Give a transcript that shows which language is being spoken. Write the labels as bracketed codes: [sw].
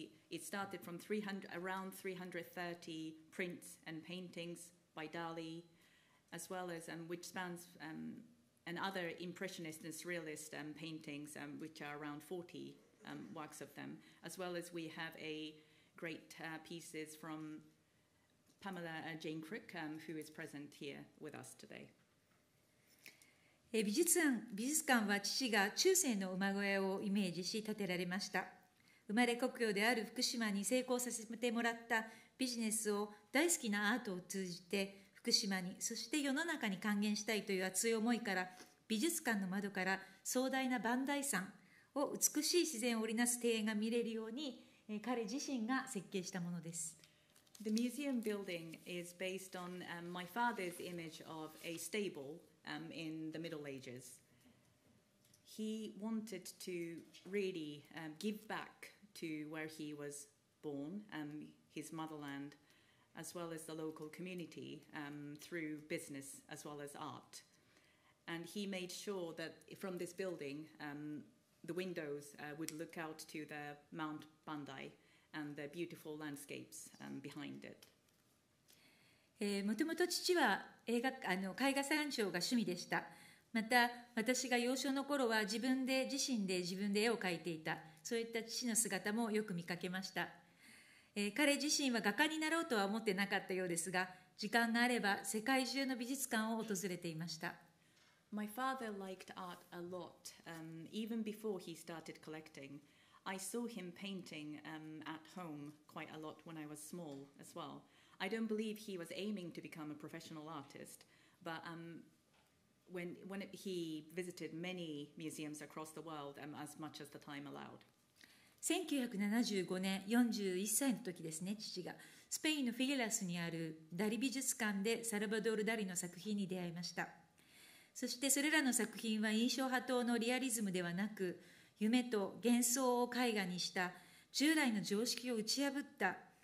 [en] It started from around 330 prints and paintings by Dali, as well as which spans and other impressionist and surrealist paintings, which are around 40 works of them, as well as we have a great pieces from Pamela Jane Crick, who is present here with us today. [ja] 美術館は父が中世の馬小屋をイメージし建てられました。生まれ故郷である福島に成功させてもらったビジネスを大好きなアートを通じて福島に、そして世の中に還元したいという熱い思いから、美術館の窓から壮大な磐梯山を美しい自然を織りなす庭園が見れるように彼自身が設計したものです。 [en] The museum building is based on my father's image of a stable in the Middle Ages. He wanted to really give back to where he was born, his motherland, as well as the local community through business as well as art. And he made sure that from this building, the windows would look out to the Mount Bandai and the beautiful landscapes behind it. [ja] もともと父は絵画鑑賞が趣味でした。また私が幼少の頃は自身で絵を描いていた。そういった父の姿もよく見かけました。彼自身は画家になろうとは思ってなかったようですが、時間があれば世界中の美術館を訪れていました。 [en] My father liked art a lot, even before he started collecting. I saw him painting at home quite a lot when I was small as well. I don't believe he was aiming to become a professional artist, but when he visited many museums across the world, as much as the time allowed. [ja] 1975年、41歳の時ですね、父が。スペインのフィギラスにあるダリ美術館でサルバドール・ダリの作品に出会いました。そしてそれらの作品は印象派等のリアリズムではなく、夢と幻想を絵画にした従来の常識を打ち破った。